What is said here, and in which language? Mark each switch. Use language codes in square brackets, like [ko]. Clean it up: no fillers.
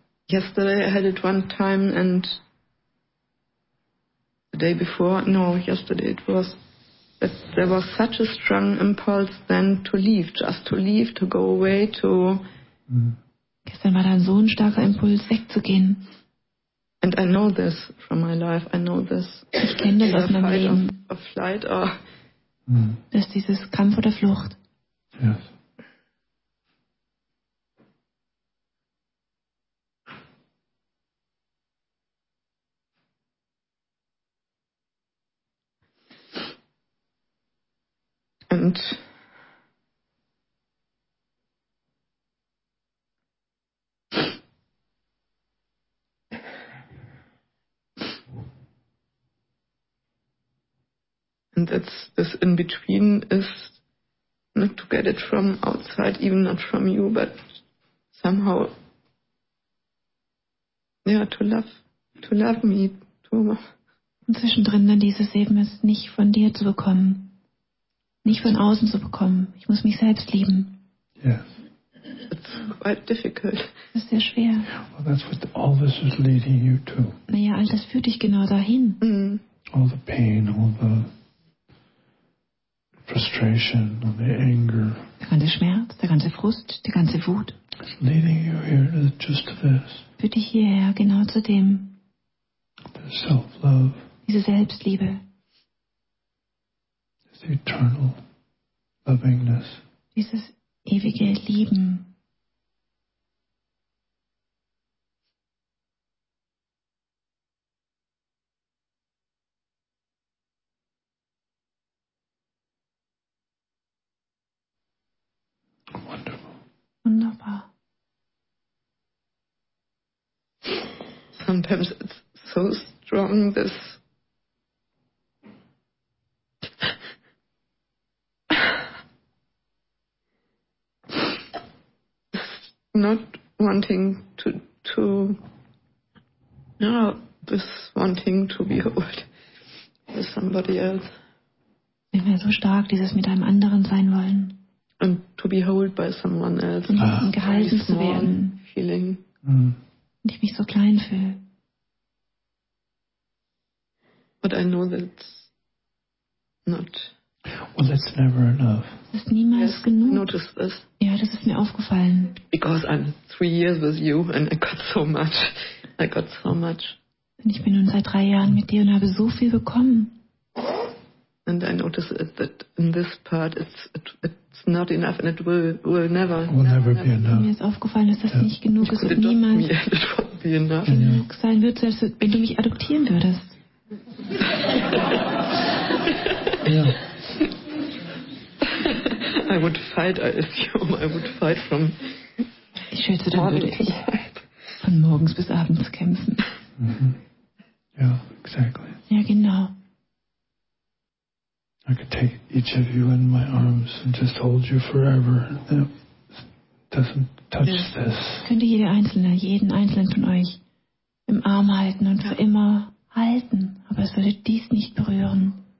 [en] Yesterday I had it one time and the day before, no, yesterday it was that there was such a strong impulse then to leave, just to leave, to go away, to... [de] Gestern war da so ein starker Impuls, wegzugehen. [en] And I know this from my life, I know this. [de] Ich kenne das aus meinem Leben. [en] Of flight or... [de] Das ist dieses Kampf oder Flucht. [en] Yes. And that's this in between is not to get it from outside, even not from you, but somehow, yeah, to love me, too. [de] Inzwischen drin dann dieses eben ist nicht von dir zu bekommen. Nicht von außen zu bekommen. Ich muss mich selbst lieben. [en] Yes. It's quite difficult. [de] Das ist sehr schwer. [en] Well, that's what all this is leading you to. [de] Naja, all das führt dich genau dahin. [en] All the pain, all the frustration, all the anger. [de] Der ganze Schmerz, der ganze Frust, die ganze Wut. [en] It's leading you here to just this. [de] Führt dich hierher, genau zu dem. [en] The self-love. [de] Diese Selbstliebe. [en] Eternal lovingness. [de] Dieses ewige Lieben. [en] Wonderful. [de] Wunderbar. [en] Sometimes it's so strong, this. Not wanting to no, this wanting to be old with somebody else. [de] Wenn wir so stark dieses mit einem anderen sein wollen. [en] And to be held by someone else. [de] Und gehalten zu werden. [en] Feeling. [de] Und ich mich so klein fühle. [en] But I know that's not. Well, that's never enough. [de] Das ist niemals genug. [en] Notice this. [de] Ja, das ist mir aufgefallen. [en] Because I'm 3 years with you and I got so much. [de] Und ich bin nun seit 3 Jahren mit dir und habe so viel bekommen. [en] And I notice it, that in this part it's not enough and it will never. Will never be enough. [de] Mir ist aufgefallen, dass das nicht genug ist und niemals genug sein wird, als wenn du mich adoptieren würdest. Ja. [en] I would fight, I assume. I would fight from. [de] Ich schätze, dann würde ich von morgens bis abends kämpfen. [en] Mm-hmm. Yeah, exactly. [de] Ja, genau. [en] I could take each of you in my arms and just hold you forever. It doesn't touch this. [de] Könnte jeden einzelnen von euch im Arm halten und für immer halten, aber es würde dies nicht berühren.